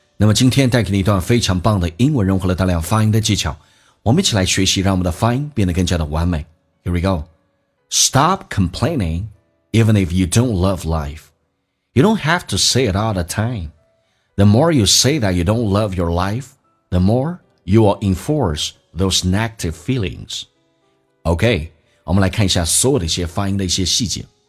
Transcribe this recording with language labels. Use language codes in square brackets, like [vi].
[zh] 那么今天带给你一段非常棒的英文融合了大量发音的技巧，我们一起来学习，让我们的发音变得更加的完美。 [en] Here we go. Stop complaining even if you don't love life. You don't have to say it all the time. The more you say that you don't love your life, the more you will enforce those negative feelings. [zh] OK, 我们来看一下所有的一些发音的一些细节。